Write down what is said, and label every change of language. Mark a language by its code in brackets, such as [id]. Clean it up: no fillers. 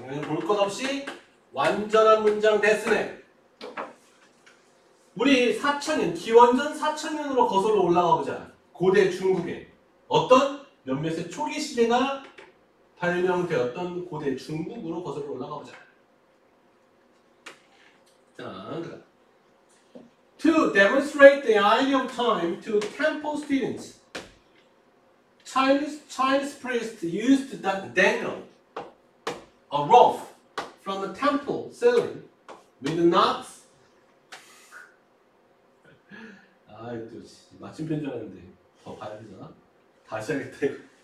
[ko] 얘를 볼 것 없이 완전한 문장 됐으네. 우리 4000년, 기원전 4000년으로 거슬러 올라가 보자. 고대 중국에. 어떤 몇몇의 초기 시대가 발명되었던 고대 중국으로 거슬러 올라가 보자. 자, [en] to demonstrate the idea of time to temple students, Chinese priests used to dangle a rope from the temple ceiling with knots. [ko] 아, 또 마침표인 줄 알았는데 더 봐야 되잖아. 다시 하겠다 이거.